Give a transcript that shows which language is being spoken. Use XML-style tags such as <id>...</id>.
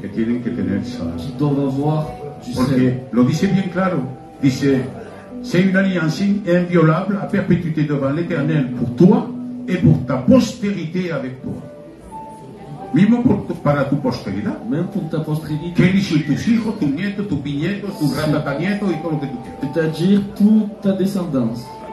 <es>que tienen que tener sal.</es> <fr>Qui doit avoir du sel.</fr> <es>Porque lo dice bien claro. Dice,</es> <fr>c'est une alliance inviolable à perpétuité devant l'Éternel pour toi et pour ta postérité avec toi.</fr> <es>Mismo para tu posteridad.</es> <fr>Même pour ta postérité.</fr> <es>Quiere decir tus hijos, tu nieto, tu piñeto, tu ratatanieto y todo lo que tú quieras.</es> <fr>C'est-à-dire toute ta descendance.</fr>